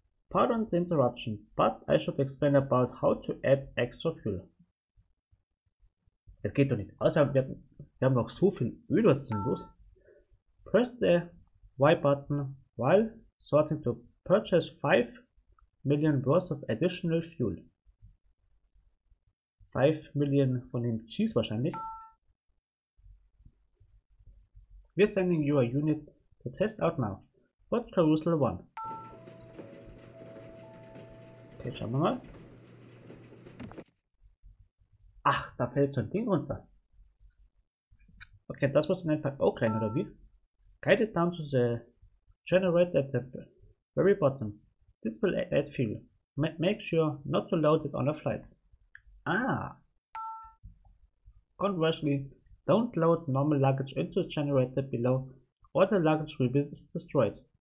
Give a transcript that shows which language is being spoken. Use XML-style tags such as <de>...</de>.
<en>Pardon the interruption, but I should explain about how to add extra fuel.</en> <de>Es geht doch nicht. Außer wir haben noch so viel Öl, was ist denn los?</de> <en>Press the Y button while sorting to purchase 5 million worth of additional fuel.</en> <de>5 million von dem Cheese wahrscheinlich.</de> <en>We're sending you a unit to test out now. What carousel 1?</en> <de>Okay, schauen wir mal. Ach, da fällt so ein Ding runter. Okay, das muss in einfach auch rein, oder wie?</de> <en>Guide it down to the generate at the very bottom. This will add fuel. Make sure not to load it on a flight. Ah! Conversely, don't load normal luggage into the generator below or the luggage will be destroyed.</en>